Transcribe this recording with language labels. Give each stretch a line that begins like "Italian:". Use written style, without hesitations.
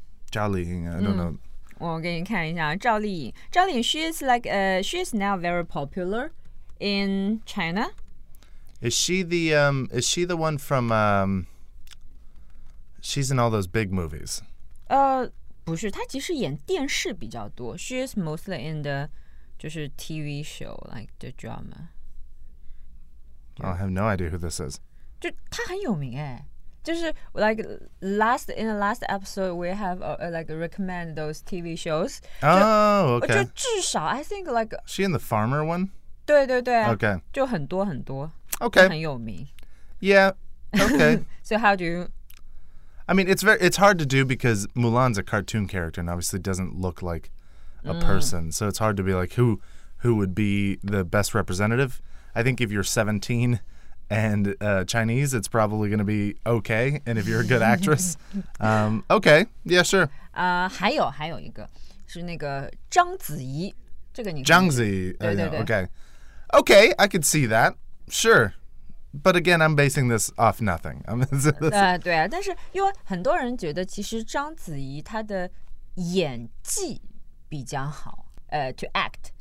English: 赵丽颖, I don't know.
Chinese: 我给你看一下
English: 赵丽颖。赵丽颖, she is now very popular in China. Is she the one from she's in all those big movies.
Chinese: 不是，她其实演电视比较多。
English: She is mostly in the,
Chinese: 就是
English: TV show, like the drama. I have no idea who this is.
Chinese: 就她很有名哎，就是
English: like last in the last episode we have like recommend those TV shows. Oh, okay.
Chinese: 就至少
English: I think like. She in the farmer one.
Chinese: 对对对。
English: Okay.
Chinese: 就很多很多。
English: Okay.
Chinese: 很有名。
English: Yeah. Okay. So how do you? I mean, it's hard to do because Mulan's a cartoon character and obviously doesn't look like a person. So it's hard to be like, who would be the best representative? I think if you're 17 and Chinese, it's probably going to be okay. And if you're a good actress, okay. Yeah, sure.
Chinese: 还有一个是那个章子怡。这个你
English: 章子怡。Okay. Okay, I could see that. Sure. But again, I'm basing this off nothing.
Chinese: 对啊，但是因为很多人觉得其实章子怡她的演技比较好，
English: to act.